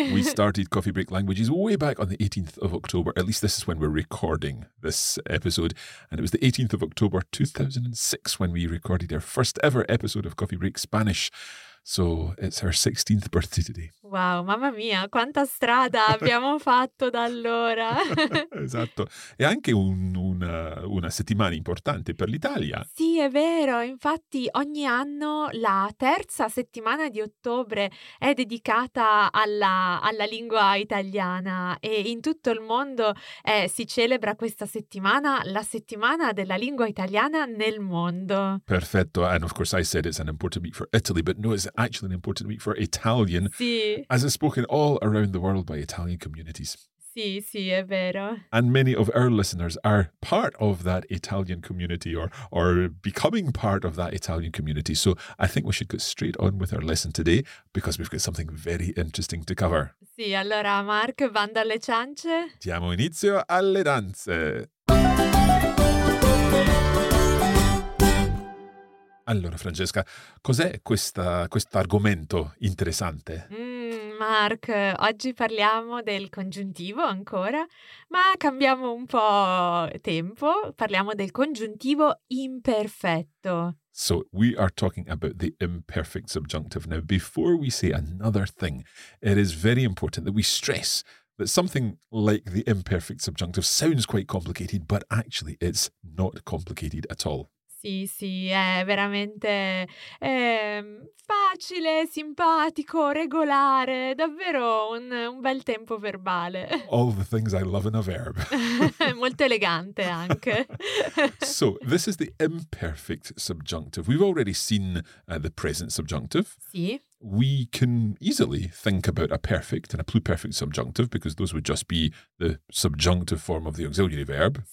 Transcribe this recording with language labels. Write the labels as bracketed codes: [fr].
[en] We started Coffee Break Languages way back on the 18th of October, at least this is when we're recording this episode, and it was the 18th of October 2006 when we recorded our first ever episode of Coffee Break Spanish. So it's her 16th birthday today. [it] Wow, mamma mia, quanta strada abbiamo fatto da allora. Esatto, è anche una settimana importante per l'Italia. Sì, è vero, infatti ogni anno la terza settimana di ottobre è dedicata alla lingua italiana e in tutto il mondo si celebra questa settimana, la settimana della lingua italiana nel mondo. Perfetto, [en] and of course I said it's an important week for Italy, but no, it's actually an important week for Italian. [it] Sì. [en] As is spoken all around the world by Italian communities. [it] Sì, sì, è vero. [en] And many of our listeners are part of that Italian community or becoming part of that Italian community. So I think we should get straight on with our lesson today because we've got something very interesting to cover. [it] Sì, allora, Mark, bando alle ciance. Diamo inizio alle danze. Allora, Francesca, cos'è questo argomento interessante? Mark, oggi parliamo del congiuntivo ancora, ma cambiamo un po' tempo, parliamo del congiuntivo imperfetto. [en] So, we are talking about the imperfect subjunctive. Now, before we say another thing, it is very important that we stress that something like the imperfect subjunctive sounds quite complicated, but actually it's not complicated at all. [it] Sì, sì, è veramente facile, simpatico, regolare, davvero un bel tempo verbale. [en] All the things I love in a verb. [it] Molto elegante anche. [en] So, this is the imperfect subjunctive. We've already seen the present subjunctive. [it] Sì. [en] We can easily think about a perfect and a pluperfect subjunctive because those would just be the subjunctive form of the auxiliary verb.